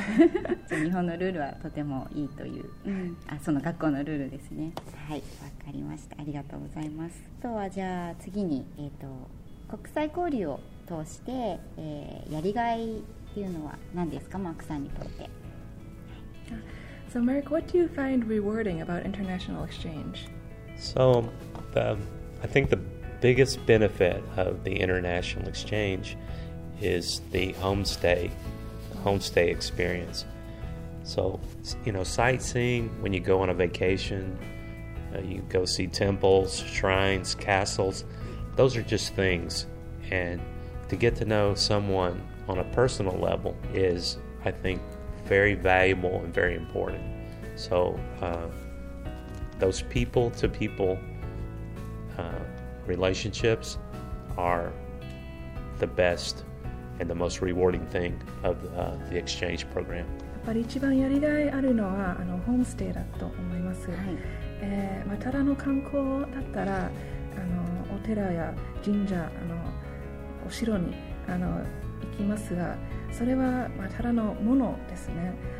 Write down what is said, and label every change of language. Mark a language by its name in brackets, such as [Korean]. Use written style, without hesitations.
[Japanese] はい、日本のルールはとてもいいという、その学校のルールですね。はい、わかりました。ありがとうございます。今日はじゃあ次に、国際交流を通して、やりがいというのは何ですか、マークさんにとって。 [English] So Mark, what do you find rewarding about international exchange? So I think the biggest benefit of the international exchange is the homestay experience. So, you know, sightseeing, when you go on a vacation, you go see temples, shrines, castles, those are just things. And to get to know someone on a personal level is, I think, very valuable and very important. So those people-to-people relationships are the best and the most rewarding thing of the exchange program. [Japanese] やっぱり一番やりがいあるのはホームステイだと思います。はい。ただの観光だったら、お寺や神社、お城に、行きますが、それは、ただのものですね。